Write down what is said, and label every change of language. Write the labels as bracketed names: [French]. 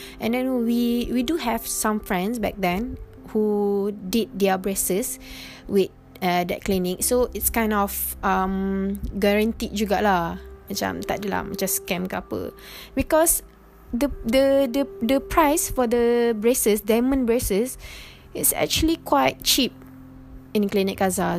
[English] And then we do have some friends back then who did their braces with that clinic. So it's kind of guaranteed [Malay] jugalah. Macam tak adalah macam scam ke apa. [English] Because the price for the braces, diamond braces, it's actually quite cheap in Clinic Gaza.